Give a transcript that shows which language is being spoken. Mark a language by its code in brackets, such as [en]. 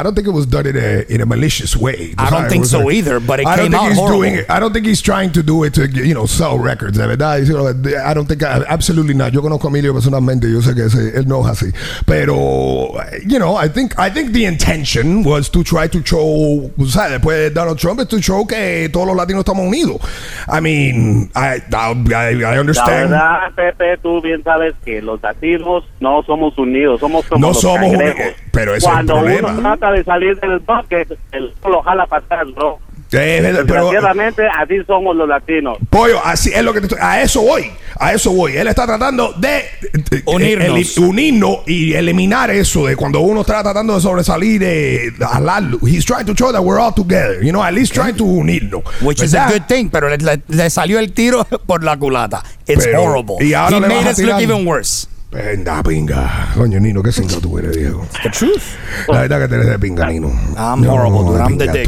[en] I don't think it was done in a malicious way. I don't think so either, but it came out horrible. I don't think he's trying to do it to, you know, sell records. I absolutely not. [es] Yo conozco a Emilio personalmente, yo sé que ese, él no es así. [en] Pero, you know, I think the intention was to try to show, [es] ¿sabes? Después de Donald Trump es [en] to show [es] que todos los latinos estamos unidos. [en] I understand. [es] La verdad, Pepe, tú bien sabes que los latinos no somos unidos, somos como no los somos cangrejos. Pero es cuando el problema. Cuando uno trata de salir del bucket, el lo jala para atrás, bro. Desgraciadamente, así somos los latinos. Pollo, así es lo que te estoy. A eso voy. A eso voy. Él está tratando de unirnos. Unirnos y eliminar eso de cuando uno está tratando de sobresalir, de hablarlo. [en] He's trying to show that we're all together. You know, at least trying to unirnos. Which is a good thing, [es] pero le salió el tiro por la culata. [en] It's horrible. [es] Y ahora [en] he made us look even worse. [es] Venga, pinga. Coño, Nino, qué cinta tú eres, Diego. [en] The truth. [es] La verdad que eres de pinga, Nino. [en] I'm horrible, dude. I'm the dick.